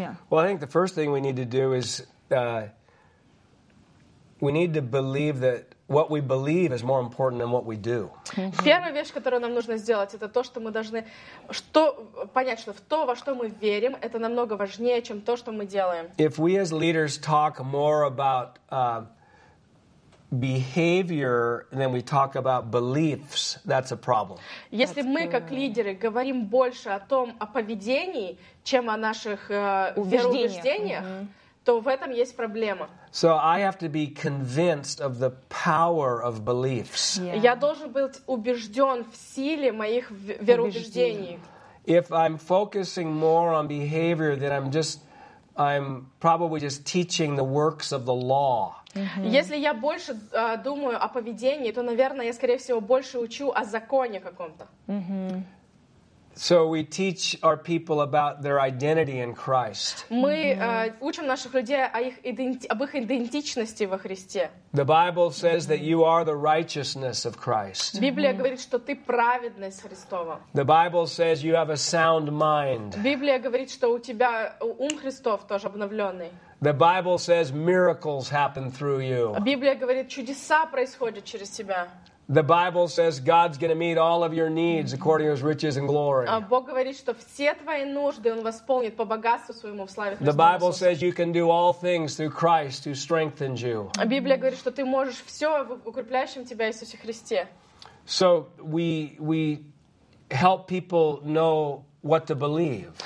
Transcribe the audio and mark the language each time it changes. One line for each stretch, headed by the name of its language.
English: Well, I think the first thing we need to do is we need to believe that what we believe is more important than what we do.
Russian: Первая вещь, которую нам нужно сделать, это то, что мы должны понять, что в то, во что мы верим, это намного важнее, чем то, что мы делаем.
English: If we as leaders talk more about behavior, then we talk about beliefs, that's a problem.
Russian: Если мы как лидеры говорим больше о том, о поведении, чем о наших убеждениях, то в этом есть проблема.
English: So I have to be convinced of the power of beliefs.
Russian: Я должен быть убежден в силе моих вероубеждений.
English: If I'm focusing more on behavior, then I'm probably just teaching the works of the law.
Russian: Если я больше думаю о поведении, то, наверное, я, скорее всего, больше учу о законе каком-то.
English: So we teach our people about their identity in Christ.
Russian: Мы учим наших людей об их идентичности во Христе.
English: The Bible says that you are the righteousness of Christ.
Russian: Библия говорит, что ты праведность Христова.
English: The Bible says you have a sound mind.
Russian: Библия говорит, что у тебя ум Христов тоже обновленный.
English: The Bible says miracles happen through you.
Russian: Библия говорит, чудеса происходят через тебя.
English: The Bible says God's going to meet all of your needs according to His riches and glory.
Russian: Бог говорит, что все твои нужды Он восполнит по богатству Своему в славе Христа.
English: The Bible says you can do all things through Christ who strengthens you.
Russian: Библия говорит, что ты можешь все в укрепляющем тебя Иисусе Христе.
English: So we help people know what to believe.